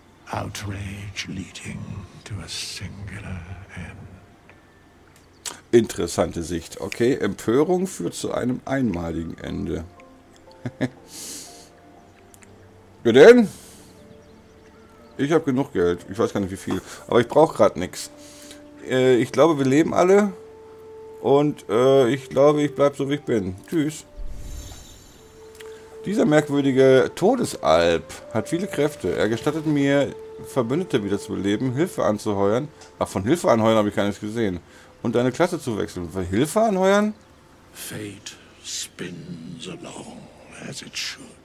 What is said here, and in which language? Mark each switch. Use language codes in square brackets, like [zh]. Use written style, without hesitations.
[en] Outrage leading to a singular end. [de] Interessante Sicht. Okay, Empörung führt zu einem einmaligen Ende. Ja, denn? Ich habe genug Geld. Ich weiß gar nicht, wie viel. Aber ich brauche gerade nichts. Ich glaube, wir leben alle. Und ich glaube, ich bleibe so, wie ich bin. Tschüss. Dieser merkwürdige Todesalb hat viele Kräfte. Er gestattet mir, Verbündete wieder zu beleben, Hilfe anzuheuern. Ach, von Hilfe anheuern habe ich gar nichts gesehen. Und deine Klasse zu wechseln. Für Hilfe anheuern? [en] Fate spins along as it should.